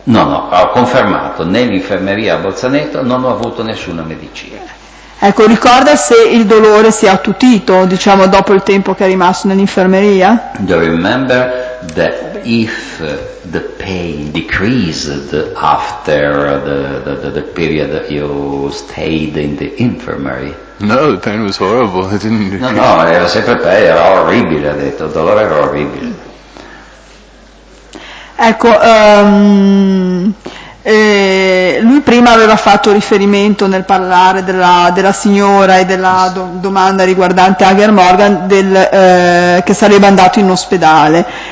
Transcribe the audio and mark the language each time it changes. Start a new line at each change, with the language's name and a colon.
Italian: No, no, ho confermato, nell'infermeria a Bolzaneto non ho avuto nessuna medicina. Ecco, ricorda se il dolore si è attutito, diciamo, dopo il tempo che è rimasto nell'infermeria?
English: Do you remember that if the pain decreased after the period that you stayed in the infirmary? No, the pain was horrible. It didn't.
Italian: No, no, era sempre bello, era orribile, ha detto, il dolore era orribile. Ecco, lui prima aveva fatto riferimento nel parlare della signora e della domanda riguardante Hager Morgan che sarebbe andato in ospedale.